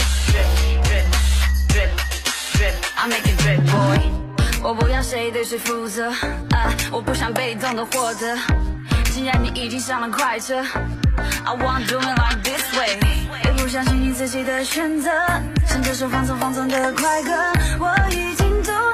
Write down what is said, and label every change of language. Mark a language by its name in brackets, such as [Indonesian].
[English] Drip, drip, drip, drip, drip. I make a drip boy. [Chinese] 我不要谁对谁负责，我不想被动的获得。既然你已经上了快车 ， [English] I want to do it like this way。 [Chinese] 也不相信你自己的选择，牵着手放纵放纵的快歌，我已经都。